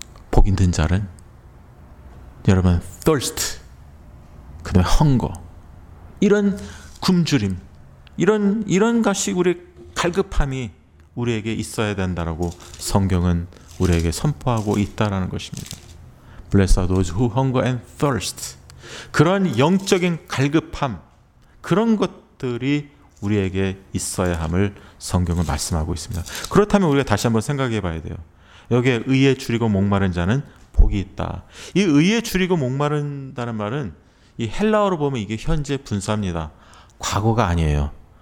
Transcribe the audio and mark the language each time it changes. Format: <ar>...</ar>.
<ko>복 있는 자는 여러분 thirst, 그다음에 hunger, 이런 굶주림, 이런 것이 우리 갈급함이 우리에게 있어야 된다라고 성경은 우리에게 선포하고 있다라는 것입니다.</ko> <en>Blessed are those who hunger and thirst.</en> <ko>그런 영적인 갈급함, 그런 것들이 우리에게 있어야 함을 성경은 말씀하고 있습니다. 그렇다면 우리가 다시 한번 생각해 봐야 돼요. 여기에 의에 주리고 목마른 자는 복이 있다. 이 의에 주리고 목마른다는 말은 이 헬라어로 보면 이게 현재 분사입니다. 과거가 아니에요.</ko>